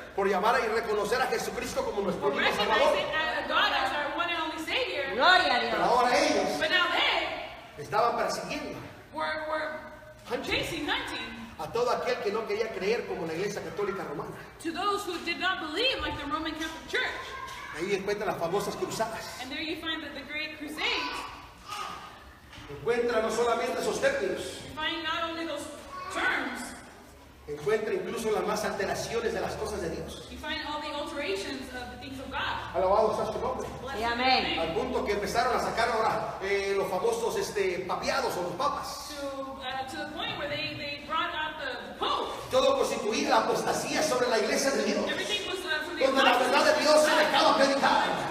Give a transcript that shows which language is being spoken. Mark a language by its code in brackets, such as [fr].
[es] Por llamar y reconocer a Jesucristo como nuestro único Salvador. [en] For recognizing God as our one and only Savior. [es] Gloria a Dios. Pero ahora ellos. [en] But now they. [es] Estaban persiguiendo. [en] Were chasing. [es] A todo aquel que no quería creer como la Iglesia Católica Romana. [en] To those who did not believe like the Roman Catholic Church. [es] Ahí encuentran las famosas cruzadas. [en] And there you find that the great crusades. [es] Encuentra no solamente esos términos. [en] You find not only those terms. [es] Encuentra incluso las más alteraciones de las cosas de Dios. [en] You find all the alterations of the things of God. [es] Alabado sea su nombre. Y amén. Al punto que empezaron a sacar ahora los famosos papiados o los papas. [en] To the point where they brought out the Pope. [es] Todo constituía la apostasía sobre la iglesia de Dios. [en] Everything was [es] donde la verdad de Dios se dejaba predicar.